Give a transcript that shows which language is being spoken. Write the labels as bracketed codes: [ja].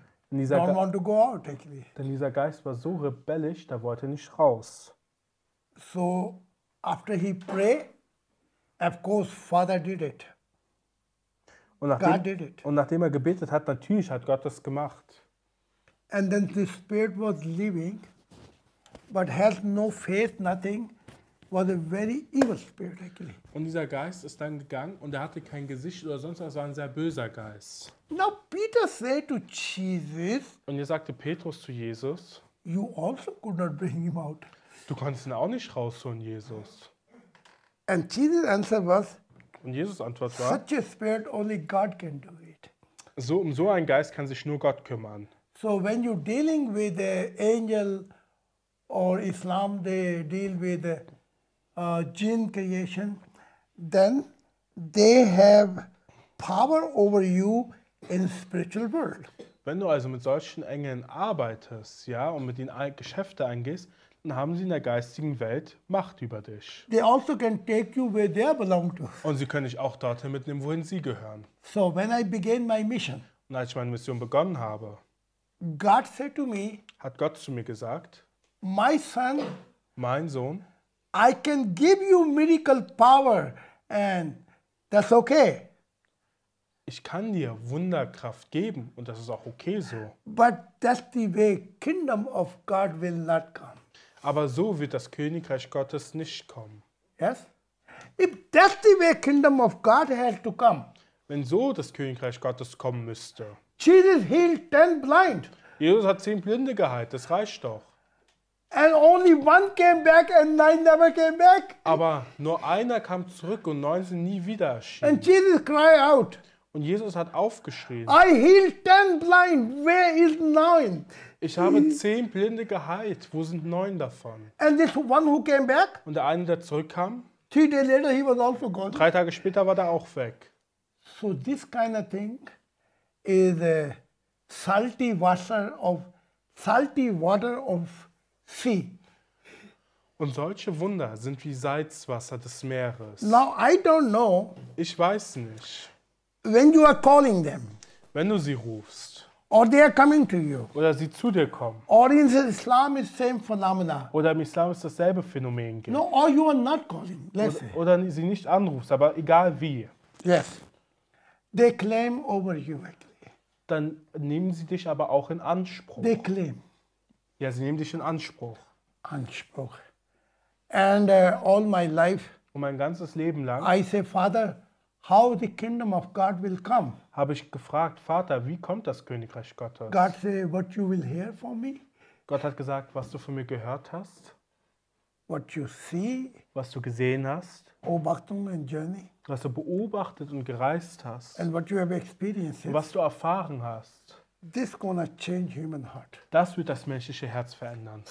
[de] Denn dieser Geist war so rebellisch, da wollte er nicht raus. [en] So, after he prayed, of course, Father did it. God did it. [de] Und nachdem er gebetet hat, natürlich hat Gott das gemacht. [en] And then the spirit was leaving, but has no faith, nothing. was a very evil spirit actually. [de] Und dieser Geist ist dann gegangen und er hatte kein Gesicht oder sonst was, war ein sehr böser Geist. [en] Now Peter said to Jesus. [de] Und er sagte Petrus zu Jesus. [en] You also could not bring him out. [de] Du konntest ihn auch nicht rausholen, Jesus. [en] And Jesus answered was? [de] Und Jesus Antwort war. [en] Such a spirit only God can do it. [de] So um so einen Geist kann sich nur Gott kümmern. [en] So when you're dealing with the angel or Islam, they deal with the jinn creation, then they have power over you in the spiritual world. [de] Wenn du also mit solchen Engeln arbeitest, ja, und mit ihnen Geschäfte eingehst, dann haben sie in der geistigen Welt Macht über dich. [en] They also can take you where they belong to. [de] Und sie können dich auch dorthin mitnehmen, wohin sie gehören. [en] So when I began my mission, [de] und als ich meine Mission begonnen habe, [en] God said to me, [de] hat Gott zu mir gesagt, [en] my son, [de] mein Sohn, [en] I can give you miracle power and that's okay. [de] Ich kann dir Wunderkraft geben und das ist auch okay so. [en] But that's the way kingdom of God will not come. [de] Aber so wird das Königreich Gottes nicht kommen. [en] Yes? If that's the way kingdom of God has to come. [de] Wenn so das Königreich Gottes kommen müsste. [en] Jesus healed 10 blind. [de] Jesus hat 10 Blinde geheilt, das reicht doch. [en] And only one came back and 9 never came back. [de] Aber nur einer kam zurück und 9 sind nie wieder erschienen. [en] And Jesus cried out. [de] Und Jesus hat aufgeschrien. [en] I healed 10 blind. Where is 9? [de] Ich habe 10 Blinde geheilt. Wo sind 9 davon? [en] And this one who came back? [de] Und der eine, der zurückkam? [en] 3 days later he was also gone. [de] 3 Tage später war der auch weg. [en] So this kind of thing is the salty water of sea. [de] Und solche Wunder sind wie Salzwasser des Meeres. [en] Now I don't know. [de] Ich weiß nicht. [en] When you are calling them, [de] wenn du sie rufst, [en] or they are coming to you, [de] oder sie zu dir kommen, [en] or in the Islam is same phenomena, [de] oder im Islam ist dasselbe Phänomen gibt, [en] no, or you are not calling, let's say, [de] oder sie nicht anrufst, aber egal wie, [en] yes, they claim over you, [de] dann nehmen sie dich aber auch in Anspruch. [en] They claim, [de] ja, sie nehmen dich in Anspruch. [en] Anspruch. And all my life, [de] und mein ganzes Leben lang, [en] I say, Father, how the kingdom of God will come? [de] Habe ich gefragt, Vater, wie kommt das Königreich Gottes? [en] God say, what you will hear from me? [de] Gott hat gesagt, was du von mir gehört hast. [en] What you see? [de] Was du gesehen hast. [en] Beobachtung and journey. [de] Was du beobachtet und gereist hast. [en] And what you have experienced. [de] Und was du erfahren hast. [en] This gonna change human heart. [de] Das wird das menschliche Herz verändern.